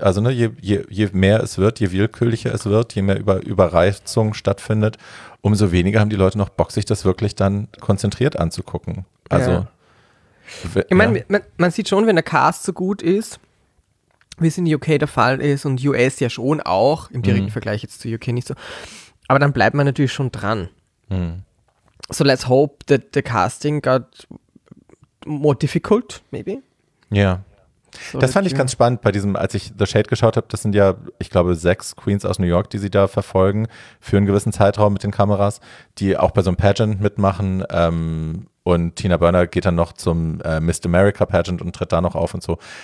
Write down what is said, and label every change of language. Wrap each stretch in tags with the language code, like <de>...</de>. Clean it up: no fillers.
<de>Also ne, je mehr es wird, je willkürlicher es wird, je mehr Überreizung stattfindet, umso weniger haben die Leute noch Bock, sich das wirklich dann konzentriert anzugucken. Also Man sieht schon, wenn der Cast so gut ist, wie es in UK der Fall ist und US ja schon auch, im direkten Vergleich jetzt zu UK nicht so, aber dann bleibt man natürlich schon dran. Mm.</de> <en>So let's hope that the casting got more difficult, maybe.</en> <de>Ja. Yeah. So, das fand ich ganz spannend bei diesem, als ich The Shade geschaut habe, das sind ja, ich glaube, 6 Queens aus New York, die sie da verfolgen, für einen gewissen Zeitraum mit den Kameras, die auch bei so einem Pageant mitmachen, und Tina Burner geht dann noch zum Miss America Pageant und tritt da noch auf und so.</de>